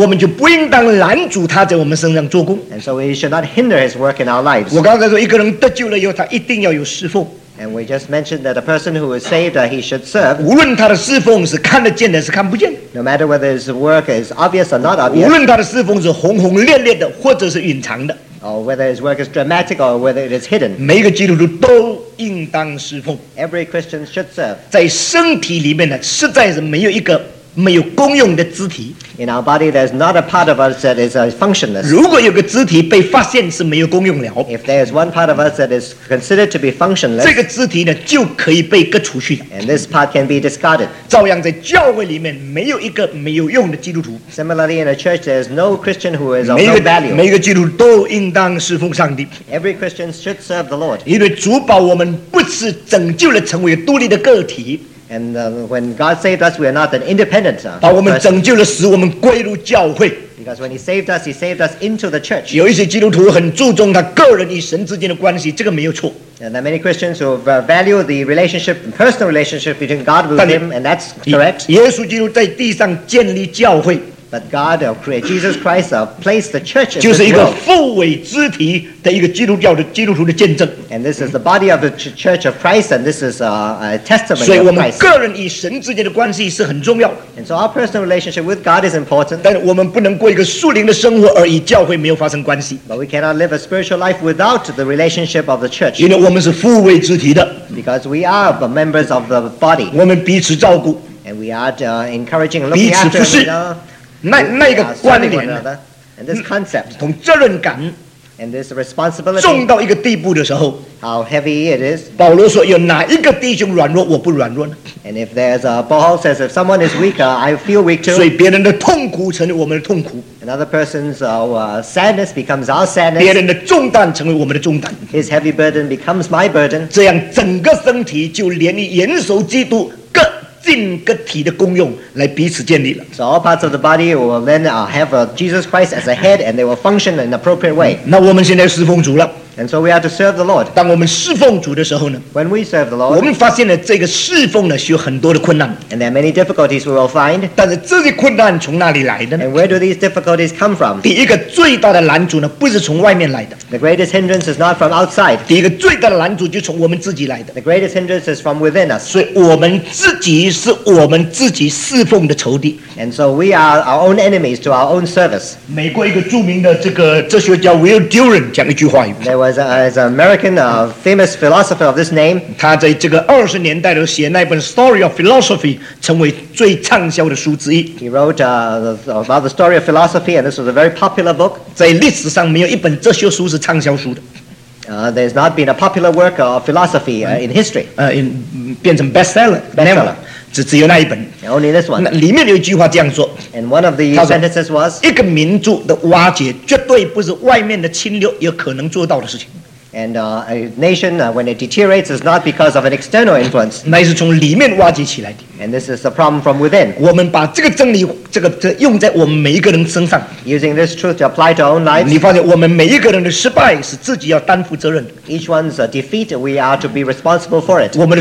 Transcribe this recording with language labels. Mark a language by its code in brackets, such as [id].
[zh] 我们就不应当拦阻他在我们身上做工。 [en] And so we should not hinder his work in our lives. [zh] 我刚才说，一个人得救了以后，他一定要有侍奉。 [en] And we just mentioned that a person who is saved, he should serve. [zh] 无论他的侍奉是看得见的，是看不见。 [en] No matter whether his work is obvious or not obvious. [zh] 无论他的侍奉是轰轰烈烈的，或者是隐藏的。 [en] Or whether his work is dramatic or whether it is hidden. [zh] 每一个基督徒都应当侍奉。 [en] Every Christian should serve. [zh] 在身体里面呢，实在是没有一个没有功用的肢体。 [en] In our body, there's not a part of us that is functionless. [zh] 如果有个肢体被发现是没有功用了， [en] If there is one part of us that is considered to be functionless, [zh] 这个肢体呢就可以被割除去， [en] And this part can be discarded. [zh] 照样在教会里面没有一个没有用的基督徒。 [en] Similarly, in a church, there is no Christian who is of no value. [zh] 每一个基督徒都应当侍奉上帝。 [en] Every Christian should serve the Lord. [zh] 因为主把我们不是拯救了成为独立的个体， [en] And when God saved us, we are not an independent person. [zh] 把我们拯救了死, 我们归入教会。 [en] Because when he saved us into the church. [zh] 有一些基督徒很注重他个人与神之间的关系, 这个没有错。 [en] And there are many Christians who value the relationship, personal relationship between God with him, and that's correct. [zh] 耶稣基督在地上建立教会, [en] but God created Jesus Christ placed the church in the world. [zh] 就是一个复委肢体的一个基督教的基督徒的见证。 [en] And this is the body of the church of Christ, and this is a testimony of Christ. [zh] 所以我们个人与神之间的关系是很重要的。 [en] And so our personal relationship with God is important. [zh] 但我们不能过一个属灵的生活而与教会没有发生关系。 [en] But we cannot live a spiritual life without the relationship of the church. [zh] 因为我们是复委肢体的。 [en] Because we are the members of the body. [zh] 我们彼此照顾。 [en] And we are encouraging and looking after each other. [zh] 那个关联 [en] and this concept, [zh] 同责任感 [en] and this responsibility, [zh] 重到一个地步的时候 [en] how heavy it is, [zh] 保罗说, 有哪一个弟兄软弱, 我不软弱呢? [en] And if there's a Paul says if someone is weaker I feel weak too. [zh] 所以别人的痛苦成为我们的痛苦, [en] another person's sadness becomes our sadness. [zh] 别人的重担成为我们的重担, [en] his heavy burden becomes my burden. [zh] 这样整个身体就连于元首基督 进个体的功用来彼此建立了。 [en] So all parts of the body will then have Jesus Christ as a head and they will function in an appropriate way. [zh] 那我们现在侍奉主了。 [en] And so we have to serve the Lord. [zh] 当我们侍奉主的时候呢, [en] when we serve the Lord, [zh] 我们发现了这个侍奉呢,是有很多的困难。 [en] And there are many difficulties we will find. [zh] 但是这些困难从哪里来的呢? [en] And where do these difficulties come from? [zh] 第一个最大的拦阻呢, 不是从外面来的。 [en] The greatest hindrance is not from outside. [zh] 第一个最大的拦阻就从我们自己来的。 [en] The greatest hindrance is from within us. [zh] 所以我们自己是我们自己侍奉的仇敌。 [en] And so we are our own enemies to our own service. [zh] 美国一个著名的这个哲学家 Will Durant 讲一句话语。 [en] was an American famous philosopher of this name. [zh] 他在这个20年代都写那本 Story of Philosophy 成为最畅销的书之一。 [en] He wrote about the story of philosophy and this was a very popular book. [zh] 在历史上没有一本哲学书是畅销书的。 [en] There's not been a popular work of philosophy in history. [zh] 变成 bestseller. 只有那一本。 [en] Only this one. [zh] 里面有一句话这样说。 [en] And one of the sentences was, [zh] 一个民族的瓦解绝对不是外面的侵略有可能做到的事情。 [en] And a nation, when it deteriorates, is not because of an external influence. [zh] 那是从里面挖掘起来的。 [en] And this is the problem from within. [zh] 我们把这个真理用在我们每一个人身上。 [en] Using this truth to apply to our own lives. [zh] 你发现我们每一个人的失败是自己要担负责任的。 [en] Each one's defeat, we are to be responsible for it.